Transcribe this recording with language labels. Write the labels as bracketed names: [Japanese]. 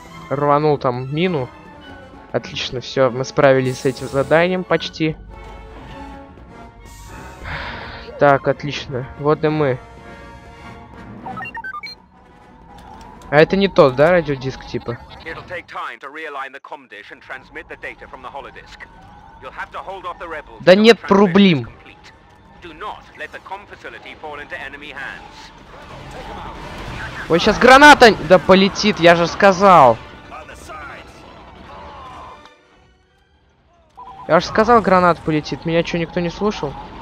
[Russian] Рванул там мину. Отлично, все, мы справились с этим заданием почти. Так, отлично. Вот и мы. А это не тот, да, радиодиск типа? [English] It'll take time to realign the comdish and transmit the data from the holodisk. You'll have to hold off the rebels. [Russian] Да нет проблем. [English] Do not let the com facility fall into enemy hands. [Russian] Ой, сейчас граната да полетит, я же сказал. Я же сказал, гранат полетит. Меня что, никто не слушал?